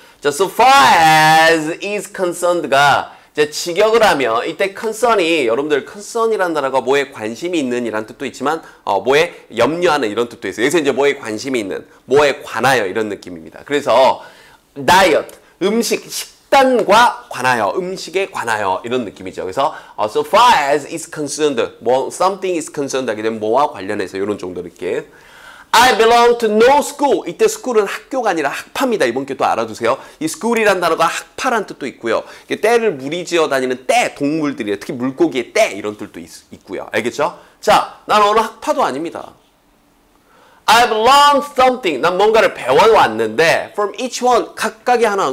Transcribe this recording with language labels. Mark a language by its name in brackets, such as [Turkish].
[Korean] 자, [English] so far as is concerned [Korean] 가 이제 직역을 하면 이때 concern이 여러분들 concern이라는 단어가 뭐에 관심이 있는 이란 뜻도 있지만 뭐에 염려하는 이런 뜻도 있어요. 여기서 이제 뭐에 관심이 있는, 뭐에 관하여 이런 느낌입니다. 그래서 diet, 음식, 식단과 관하여, 음식에 관하여 이런 느낌이죠. 그래서 [English] so far as is concerned, [Korean] 뭐 [English] something is concerned [Korean] 하게 되면 뭐와 관련해서 이런 정도 느낌. [English] I belong to no school. [Korean] 이때 school은 학교가 아니라 학파입니다. 이번 기회 또 알아두세요. 이 school이라는 단어가 학파란 뜻도 있고요. 이게 떼를 무리지어 다니는 떼, 동물들이에요. 특히 물고기의 떼 이런 뜻도 있고요. 알겠죠? 자, 난 어느 학파도 아닙니다. [English] I've learned something. [Korean] 난 뭔가를 배워왔는데 [English] from each one [Korean] 각각의 하나.